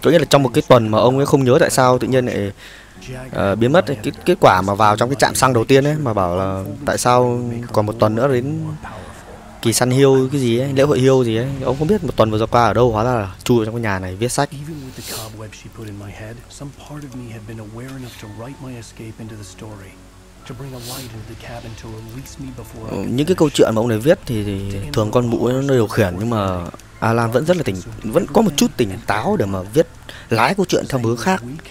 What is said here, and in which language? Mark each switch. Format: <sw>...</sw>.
<vi>Tức nghĩa là trong một cái tuần mà ông ấy không nhớ tại sao tự nhiên lại biến mất ấy. Cái kết quả mà vào trong cái trạm xăng đầu tiên ấy mà bảo là tại sao còn một tuần nữa đến kỳ săn hươu cái gì ấy, lễ hội hươu gì ấy. Ông không biết một tuần vừa qua ở đâu, hóa ra là trù trong cái nhà này viết sách.</vi> <en>Even with the cobweb she put in my head, some part of me had been aware enough to write my escape into the story. To bring a light into the cabin to release me before.</en> <vi>Những cái câu chuyện mà ông này viết thì thường con mụ nó điều khiển, nhưng mà Alan vẫn rất là tỉnh, vẫn có một chút tỉnh táo để mà viết lái câu chuyện theo hướng khác.</vi>